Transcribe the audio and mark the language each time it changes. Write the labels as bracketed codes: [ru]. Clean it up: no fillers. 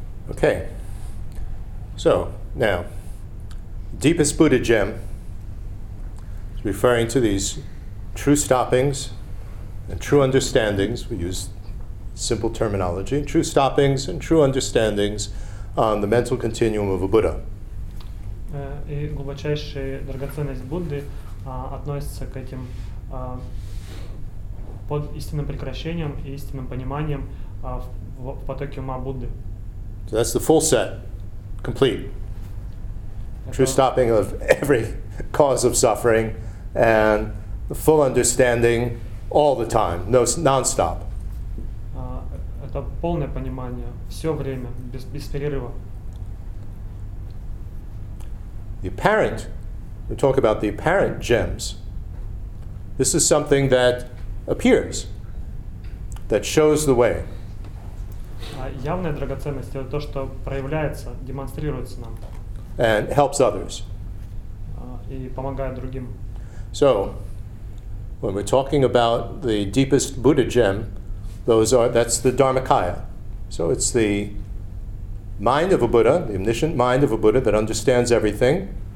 [en] Okay. So, now, deepest Buddha gem, referring to these true stoppings and true understandings, we use simple terminology, true stoppings and true understandings on the mental continuum of a Buddha. [ru] И глубочайшая драгоценность Будды относится к этим под истинным прекращением и истинным пониманием в потоке ума Будды. [en] So that's the full set, complete. True stopping of every cause of suffering and the full understanding all the time, non-stop. [ru] Это полное понимание, все время, без перерыва. [en] The apparent, we talk about the apparent gems. This is something that appears, that shows the way. [ru] Явная драгоценность — это то, что проявляется, демонстрируется нам. [en] And helps others. [ru] И помогает другим. [en] So, when we're talking about the deepest Buddha gem, that's the Dharmakaya. So it's the mind of a Buddha, the omniscient mind of a Buddha that understands everything.